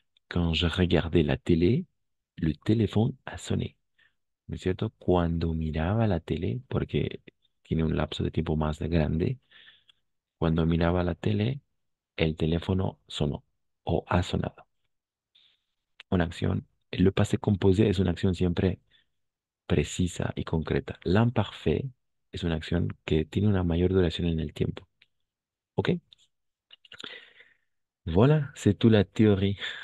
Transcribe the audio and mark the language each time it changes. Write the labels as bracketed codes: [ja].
[fr] Quand je regardais la télé, le téléphone a sonné. [es] ¿No es cierto? Cuando miraba la tele, porque tiene un lapso de tiempo más grande, cuando miraba la tele, el teléfono sonó o ha sonado. Una acción, le passé composé es una acción siempre precisa y concreta. L'imparfait es una acción que tiene una mayor duración en el tiempo. ¿Ok? [fr] Voilà, c'est toute la théorie.